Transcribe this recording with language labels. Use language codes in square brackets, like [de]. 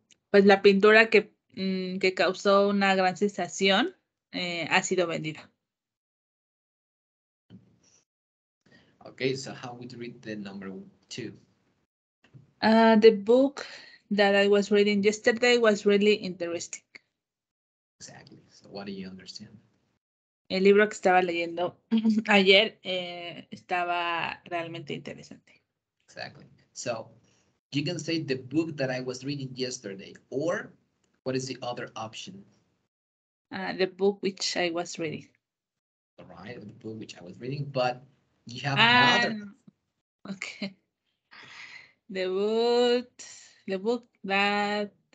[es] Pues la pintura que, que causó una gran sensación ha sido vendida. [en] Okay, so how would you read the number two? The book that I was reading yesterday was really interesting. Exactly. So what do you understand? [es] El libro que estaba leyendo ayer estaba realmente interesante. [en] Exactly. So you can say the book that I was reading yesterday, or what is the other option? The book which I was reading. All right, the book which I was reading, but you have another. Okay. The book that.